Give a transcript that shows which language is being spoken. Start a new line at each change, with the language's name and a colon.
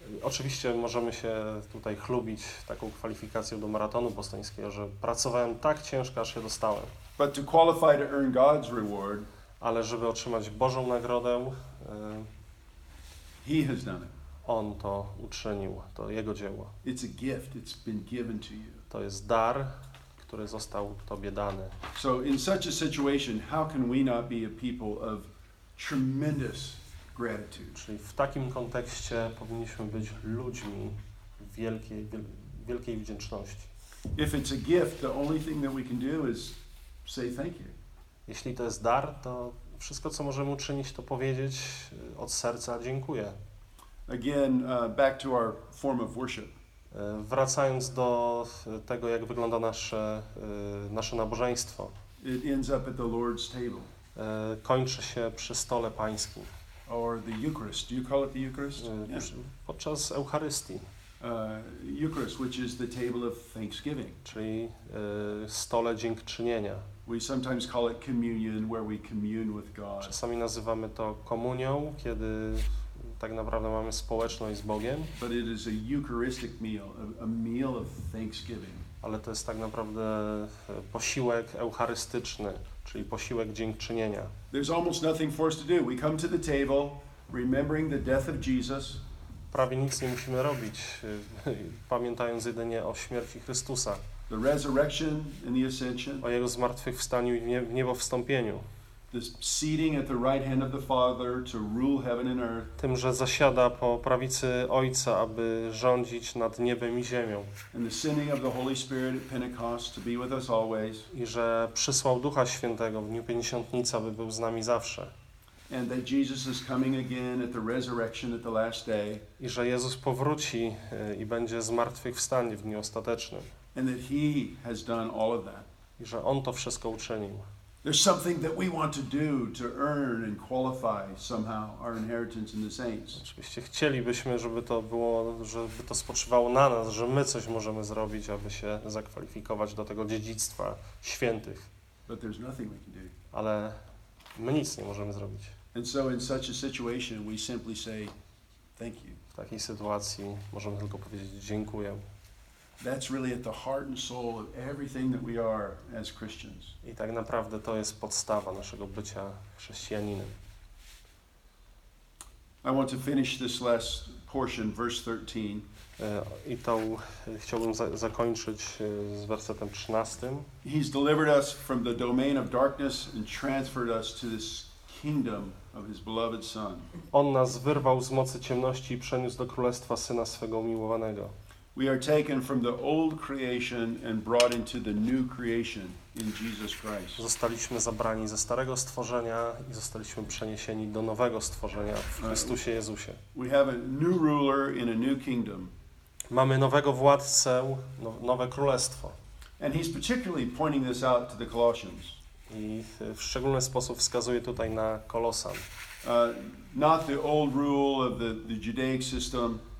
Polish: Oczywiście możemy się tutaj chlubić taką kwalifikacją do maratonu bostońskiego, że pracowałem tak ciężko, aż się dostałem.
English: But to qualify to earn God's reward,
Polish: ale żeby otrzymać Bożą nagrodę,
English: He has done it.
Polish: On to uczynił, to Jego dzieło.
English: It's a gift. It's been given to you.
Polish: To jest dar, który został Tobie dany.
English: So in such a situation, how can we not be a people of tremendous gratitude?
Polish: Czyli w takim kontekście powinniśmy być ludźmi wielkiej, wielkiej wdzięczności.
English: If it's a gift, the only thing that we can do is say thank you.
Polish: Jeśli to jest dar, to wszystko, co możemy uczynić, to powiedzieć od serca dziękuję.
English: Again, back to our form of worship.
Polish: Wracając do tego, jak wygląda nasze nabożeństwo.
English: It ends up at the Lord's table.
Polish: Kończy się przy stole Pańskim.
English: Or the Eucharist. Do you call it the Eucharist?
Polish: Podczas Eucharystii.
English: Eucharist, which is the table of thanksgiving.
Polish: Czyli stole dziękczynienia.
English: We sometimes call it communion, where we commune with God.
Polish: Czasami nazywamy to komunią, kiedy tak naprawdę mamy społeczność z Bogiem.
English: But it is a Eucharistic meal, a meal of thanksgiving.
Polish: Ale to jest tak naprawdę posiłek eucharystyczny, czyli posiłek dziękczynienia.
English: There's almost nothing for us to do. We come to the table, remembering the death of Jesus.
Polish: Prawie nic nie musimy robić, pamiętając jedynie o śmierci Chrystusa.
English: The resurrection and the ascension.
Polish: O Jego zmartwychwstaniu i w niebo wstąpieniu.
English: The seating at the right hand of the Father to rule heaven and earth.
Polish: Tym, że zasiada po prawicy Ojca, aby rządzić nad niebem i ziemią.
English: And the sending of the Holy Spirit at Pentecost to be with us always.
Polish: I że przysłał Ducha Świętego w dniu Pięćdziesiątnicy, aby był z nami zawsze.
English: And that Jesus is coming again at the resurrection at the last day.
Polish: I że Jezus powróci i będzie zmartwychwstanie w dniu ostatecznym.
English: And that He has done all of that.
Polish: I że On to wszystko uczynił.
English: There's something that we want to do to earn and qualify somehow our inheritance in the saints.
Polish: Oczywiście chcielibyśmy, żeby to spoczywało na nas, że my coś możemy zrobić, aby się zakwalifikować do tego dziedzictwa świętych.
English: But there's nothing we can do.
Polish: Ale my nic nie możemy zrobić.
English: And so in such a situation we simply say thank you.
Polish: W takiej sytuacji możemy tylko powiedzieć dziękuję.
English: That's really at the heart and soul of everything that we are as Christians.
Polish: I tak naprawdę to jest podstawa naszego bycia chrześcijaninem.
English: I want to finish this last portion, verse 13.
Polish: I to chciałbym zakończyć z wersetem 13.
English: He's delivered us from the domain of darkness and transferred us to this kingdom of his beloved son.
Polish: On nas wyrwał z mocy ciemności i przeniósł do królestwa syna swego umiłowanego.
English: We are taken from the old creation and brought into the new creation in Jesus Christ.
Polish: Zostaliśmy zabrani ze starego stworzenia i zostaliśmy przeniesieni do nowego stworzenia w Chrystusie Jezusie.
English: We have a new ruler in a new kingdom.
Polish: Mamy nowego władcę, nowe królestwo.
English: And he's particularly pointing this out to the Colossians.
Polish: I w szczególny sposób wskazuje tutaj na Kolosan.
English: Not the old rule of the Judaic system.